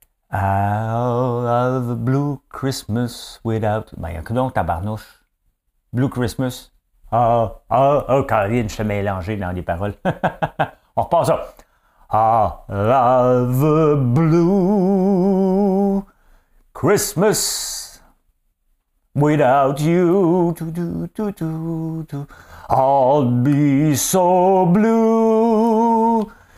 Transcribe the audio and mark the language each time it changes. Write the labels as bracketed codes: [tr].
[en] I'll have a blue Christmas without. [fr] Ben, donc, tabarnouche. Blue Christmas. Oh, Karine, je t'ai mélangé dans les paroles. On repart ça. [en] I'll have a blue Christmas without you. [fr] Tout, tout, tout, tout, tout. [en] I'll be so blue.